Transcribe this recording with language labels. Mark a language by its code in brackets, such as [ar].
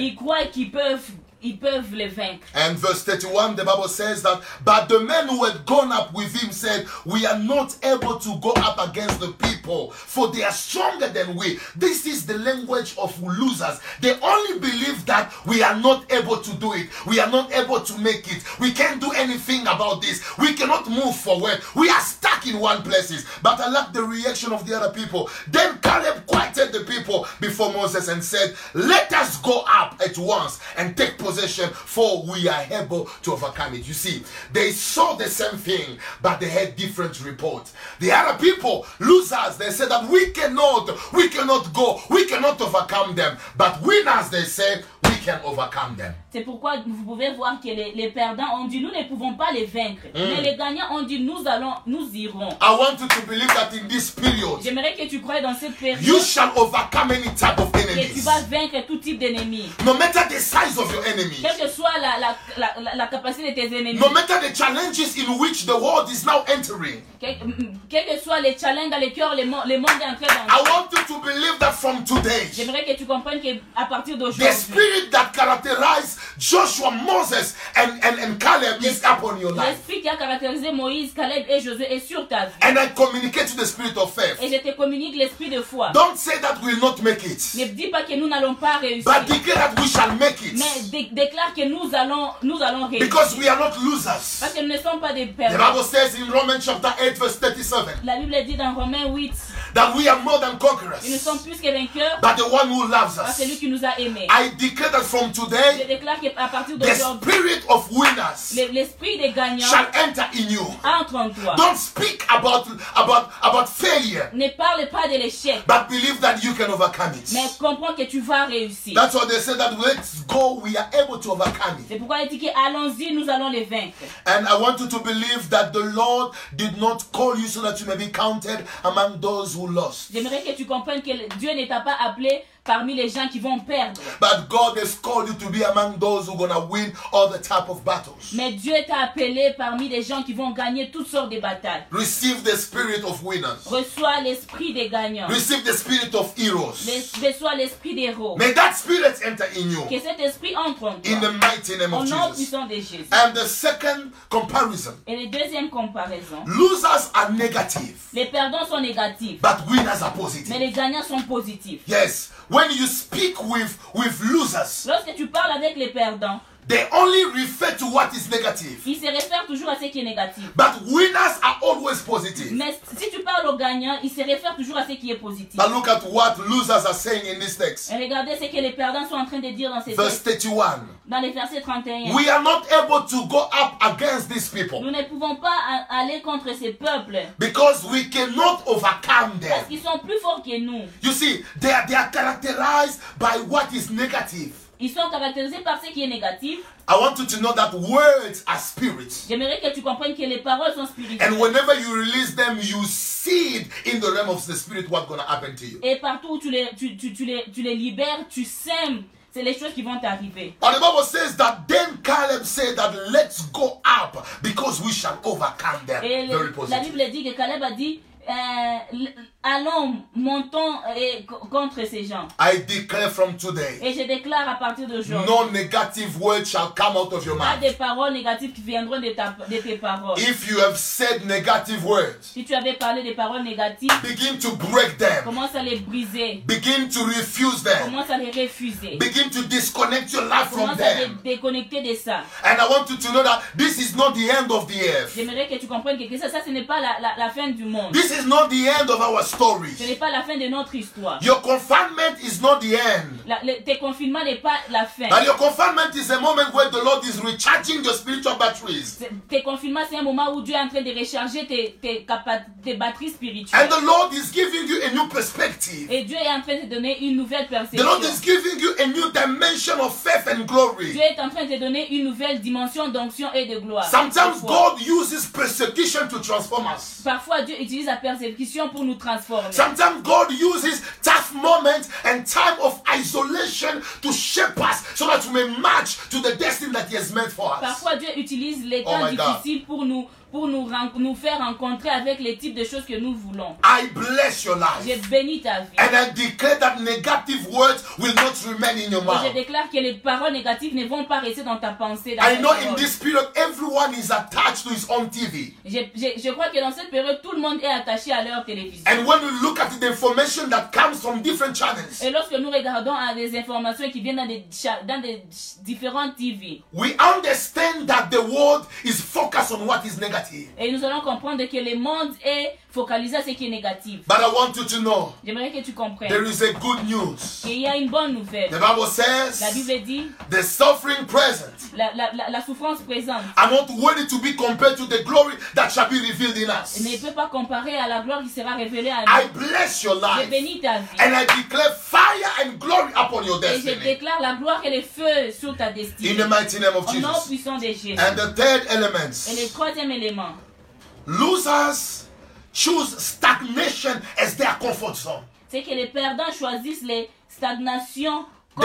[fr] Ils croient qu'ils peuvent les vaincre. [en] And verse 31, the Bible says that, but the men who had gone up with him said, we are not able to go up against the people, for they are stronger than we. This is the language of losers. They only believe that we are not able to do it. We are not able to make it. We can't do anything about this. We cannot move forward. We are stuck in one place. But I like the reaction of the other people. Then Caleb quieted the people before Moses and said, let us go up at once and take possession, for we are able to overcome it. You see, they saw the same thing, but they had different reports. The other people, losers, they said that we cannot go, we cannot overcome them. But winners, they said, we can overcome them. [fr] C'est pourquoi vous pouvez voir que les perdants ont dit, nous ne pouvons pas les vaincre. Mais les gagnants ont dit, nous irons. [en] I want you to believe that in this period, [fr] j'aimerais que tu croies dans cette période, [en] you shall overcome any type of enemies. [fr] Et tu vas vaincre tout type d'ennemis. [en] No matter the size of your enemies. [fr] Quelle que soit la capacité de tes ennemis. [en] No matter the challenges in which the world is now entering. [fr] Quelle que soit les challenges dans lesquels le monde est entré dans. [en] I want you to believe that from today, [fr] j'aimerais que tu comprennes qu'à partir d'aujourd'hui, [en] the spirit that characterizes Joshua, Moses, and Caleb is upon your life. [fr] L'esprit qui a caractérisé Moïse, Caleb et Josué est sur ta vie. [en] And I communicate the spirit of faith. [fr] Et je te communique l'esprit de foi. [en] Don't say that we will not make it. [fr] Ne dis pas que nous n'allons pas réussir. [en] But declare that we shall make it. [fr] Mais déclare que nous allons réussir. [en] Because we are not losers. [fr] Parce que nous ne sommes pas des perdants. [en] The Bible says in Romans chapter 8 verse 37. [fr] La Bible dit dans Romains 8. [en] That we are more than conquerors. [fr] Nous sommes plus que vainqueurs. [en] But the one who loves us. [fr] Celui qui nous a aimés. [en] I declare that from today. [fr] Je déclare que à partir [en] de spirit of winners [fr] l'esprit des gagnants [en] shall enter in you. [fr] Entre en toi. [en] Don't speak about failure. [fr] Ne parle pas de l'échec. [en] But believe that you can overcome it. [fr] Mais comprends que tu vas réussir. [en] That's what they said, that let's go, we are able to overcome it. [fr] C'est pourquoi il dit que allons-y, nous allons les vaincre. [en] And I want you to believe that the Lord did not call you so that you may be counted among those who lost. [fr] J'aimerais que tu comprennes que Dieu ne t'a pas appelé parmi les gens qui vont perdre. [en] But God has called you to be among those who are gonna win all the type of battles. [fr] Mais Dieu t'a appelé parmi les gens qui vont gagner toutes sortes de batailles. [en] Receive the spirit of winners. [fr] Reçois l'esprit des gagnants. [en] Receive the spirit of heroes. [fr] Reçois l'esprit des héros. [en] May that spirit enter in you. [fr] Que cet esprit entre en toi. [en] In the mighty name of [fr] Jesus. Au nom puissant de Jésus. [en] And the second comparison. [fr] Et la deuxième comparaison. [en] Losers are negative. [fr] Les perdants sont négatifs. [en] But winners are positive. [fr] Mais les gagnants sont positifs. [en] Yes. When you speak with losers, [fr] lorsque tu parles avec les perdants, [en] they only refer to what is negative. [fr] Ils se réfèrent toujours à ce qui est négatif. [en] But winners are always positive. [fr] Mais si tu parles aux gagnants, ils se réfèrent toujours à ce qui est positif. [en] But look at what losers are saying in this text. [fr] Et regardez ce que les perdants sont en train de dire dans ces [en] textes. Verse 31. [fr] Dans les versets 31. [en] We are not able to go up against these people. [fr] Nous ne pouvons pas aller contre ces peuples. [en] Because we cannot overcome them. [fr] Parce qu'ils sont plus forts que nous. [en] You see, they are characterized by what is negative. [fr] Ils sont caractérisés par ce qui est négatif. [en] I want you to know that words are spirit. [fr] J'aimerais que tu comprennes que les paroles sont spirituelles. [en] And whenever you release them, you see it in the realm of the spirit what's going to happen to you. [fr] Et partout où tu les libères, tu sèmes, c'est les choses qui vont t'arriver. [en] And the Bible says that then Caleb said that let's go up because we shall overcome them. [fr] La Bible dit que Caleb a dit allons, montons et contre ces gens. [en] I declare from today. [fr] Et je déclare à partir d'aujourd'hui. [en] No negative word shall come out of your mouth. [fr] Pas des paroles négatives qui viendront de tes paroles. [en] If you have said negative words. [fr] Si tu avais parlé des paroles négatives. [en] Begin to break them. [fr] Commence à les briser. [en] Begin to refuse them. [fr] Commence à les refuser. [en] Begin to disconnect your life from them. [fr] Commence à les déconnecter de ça. [en] And I want you to know that this is not the end of the earth. [fr] J'aimerais que tu comprennes que ça ce n'est pas la fin du monde. [en] This is not the end of our story. [fr] Ce n'est pas la fin de notre histoire. [en] Your confinement is not the end. [fr] Tes confinements n'est pas la fin. [en] But your confinement is a moment where the Lord is recharging your spiritual batteries. [fr] Tes confinements c'est un moment où Dieu est en train de recharger tes batteries spirituelles. [en] And the Lord is giving you a new perspective. [fr] Et Dieu est en train de donner une nouvelle perception. [en] The Lord is giving you a new dimension of faith and glory. [fr] Dieu est en train de donner une nouvelle dimension d'onction et de gloire. [en] Sometimes God uses persecution to transform us. [fr] Parfois Dieu utilise la persécution pour nous transformer. [en] Sometimes God uses tough moments and time of isolation to shape us so that we may march to the destiny that He has meant for us. [fr] Parfois Dieu utilise les temps difficiles pour nous faire rencontrer avec les types de choses que nous voulons. [en] I bless your life. [fr] Je bénis ta vie. [en] And I declare that negative words will not remain in your mouth. [fr] Je déclare que les paroles négatives ne vont pas rester dans ta pensée. [en] I know in this period everyone is attached to his own TV. [fr] Je crois que dans cette période tout le monde est attaché à leur télévision. [en] And when we look at the information that comes from different channels. [fr] Et lorsque nous regardons à des informations qui viennent dans des différentes TV. [en] We understand that the world is focused on what is negative. [fr] Et nous allons comprendre que le monde est focalisé à ce qui est négatif. [en] But I want you to know. [fr] J'aimerais que tu comprennes. [en] There is a good news. [fr] Il y a une bonne nouvelle. [en] The Bible says. [fr] La Bible dit. [en] The suffering present. [fr] La souffrance présente. [en] I'm not worthy to be compared to the glory that shall be revealed in us. [fr] Ne peut pas comparer à la gloire qui sera révélée à nous. [en] I bless your life. [fr] Je bénis ta vie. [en] And I declare fire and glory upon your destiny. [fr] Et je déclare la gloire et le feu sur ta destinée. [en] In the mighty name of Jesus. [fr] Au nom puissant de Jésus. [en] And the third element. [fr] Et le troisième élément. [en] Losers choose stagnation as their comfort zone. [fr] C'est que les perdants choisissent les stagnations comme